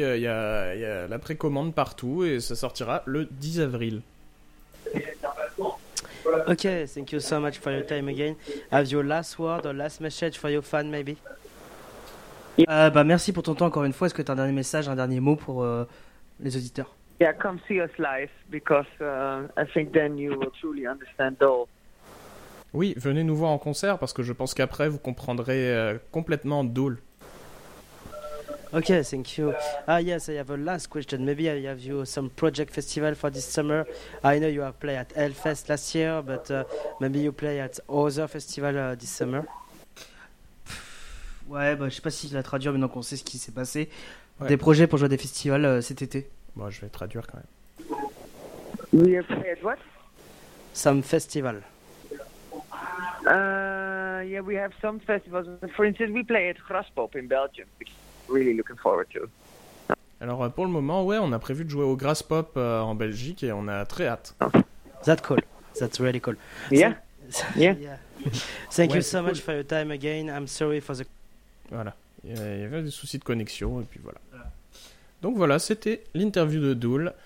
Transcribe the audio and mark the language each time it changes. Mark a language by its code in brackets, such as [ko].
[fr] Il y a la précommande partout et ça sortira le 10 avril. [en] Okay, thank you so much for your time again. Have your last word or last message for your fan, maybe? [fr] Merci pour ton temps encore une fois. Est-ce que tu as un dernier message, un dernier mot pour les auditeurs? [en] Yeah, come see us live because I think then you will truly understand Dole. [fr] Oui, venez nous voir en concert parce que je pense qu'après vous comprendrez complètement Dole. [en] Okay, thank you. Yes, I have a last question. Maybe I have you some project festival for this summer. I know you have played at Hellfest last year, but maybe you play at other festival this summer. [fr] Ouais, bah, je sais pas si tu l'as traduit, mais donc on sait ce qui s'est passé. Ouais. Des projets pour jouer à des festivals cet été. Bon, je vais traduire quand même. [en] We have played what? Some festival. Yeah, we have some festivals. For instance, we play at Graspop in Belgium, which I'm really looking forward to. [fr] Alors pour le moment, ouais, on a prévu de jouer au Graspop en Belgique et on a très hâte. [en] That's cool. That's really cool. Yeah. Thank you so cool. much for your time again. I'm sorry for the. [fr] Voilà. Il y avait des soucis de connexion et puis voilà. Donc voilà, c'était l'interview de Dool.